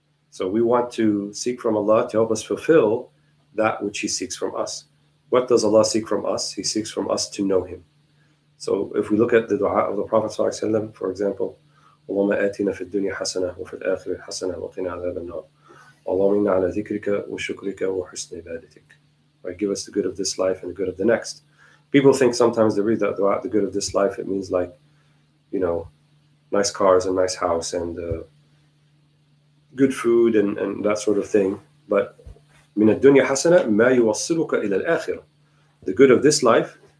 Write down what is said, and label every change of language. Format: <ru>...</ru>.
<en>So we want to seek from Allah to help us fulfill that which He seeks from us. What does Allah seek from us? He seeks from us to know Him. So if we look at the dua of the Prophet Sallallahu Alaihi Wasallam, for example,</en> <ar>اللهم آتنا في الدنيا حسنة وفي الآخرة حسنة وقنا عذاب النار. اللهم إنا على ذكرك وشكرك وحسن عبادتك.</ar> <en>Right, give us the good of this life and the good of the next. People think sometimes they read that dua, the good of this life, it means like, you know, nice cars and nice house and good food and that sort of thing. But</en> <ar>min ad-dunya hasana ma yuwassiluka ila al-akhirah.</ar> <en>The good of this life</en>